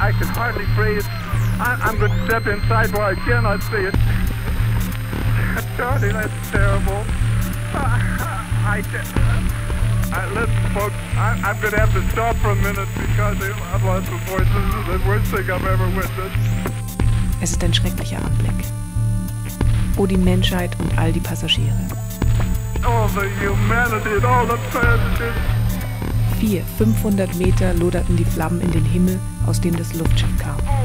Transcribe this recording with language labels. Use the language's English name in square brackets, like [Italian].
[English] I can hardly breathe. I'm going to step inside where I cannot see it. Charlie, that's terrible. I'm going to have to stop for a minute because I've lost my voice. This is the worst thing I've ever witnessed. [German] Es ist ein schrecklicher Anblick. Oh, die Menschheit und all die Passagiere. [English] All the humanity and all the passengers. [German] 400-500 Meter loderten die Flammen in den Himmel, aus dem das Luftschiff kam.